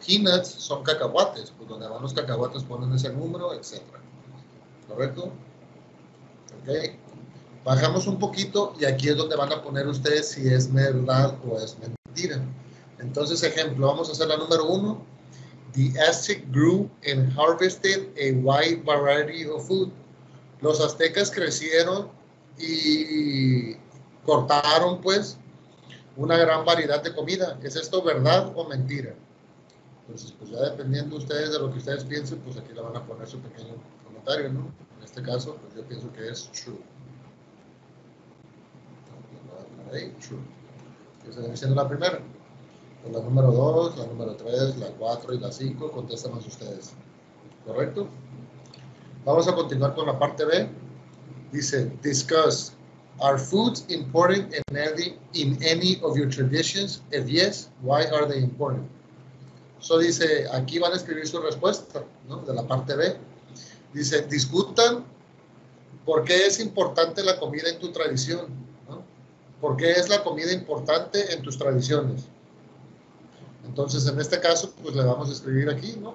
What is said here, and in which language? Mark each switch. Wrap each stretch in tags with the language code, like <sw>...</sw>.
<es>Peanuts son cacahuates, pues donde van los cacahuates ponen ese número, etc. ¿Correcto? Ok. Bajamos un poquito y aquí es donde van a poner ustedes si es verdad o es mentira. Entonces, ejemplo, vamos a hacer la número uno.</es> <en>The Aztec grew and harvested a wide variety of food.</en> <es>Los aztecas crecieron y cortaron, pues, una gran variedad de comida. ¿Es esto verdad o mentira? Entonces, pues ya dependiendo ustedes de lo que ustedes piensen, pues aquí le van a poner su pequeño comentario, ¿no? En este caso, pues yo pienso que es true. Ahí, true. Esa viene siendo la primera. Pues la número 2, la número 3, la 4 y la 5, contestan más ustedes. ¿Correcto? Vamos a continuar con la parte B. Dice, discuss.</es> <en>Are foods important in any of your traditions? If yes, why are they important?</en> <es>So dice, aquí van a escribir su respuesta, ¿no? De la parte B. Dice, discutan por qué es importante la comida en tu tradición, ¿no? ¿Por qué es la comida importante en tus tradiciones? Entonces, en este caso, pues le vamos a escribir aquí, ¿no?</es>